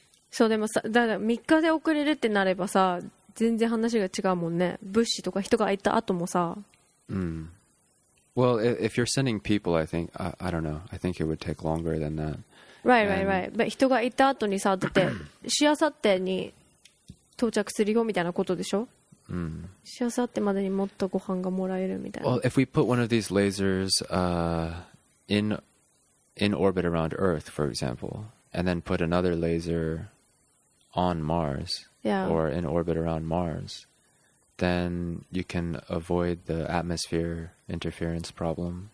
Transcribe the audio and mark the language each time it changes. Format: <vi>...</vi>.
<ja>そう、でもさ、だから3日で遅れるってなればさ、全然話が違うもんね。物資とか人が行った後もさ、 Mm.</ja> <en>Well, if you're sending people, I think, I don't know, I think it would take longer than that. Right. But</en> <ja>人が行った後にさ、だって、しあさってに到着するよみたいなことでしょ? Mm. しあさってまでにもっとご飯がもらえるみたいな。</ja> <en>Well, if we put one of these lasers, in, in orbit around Earth, for example, and then put another laser on Mars, yeah, or in orbit around Mars, then you can avoid the atmosphere interference problem.</en>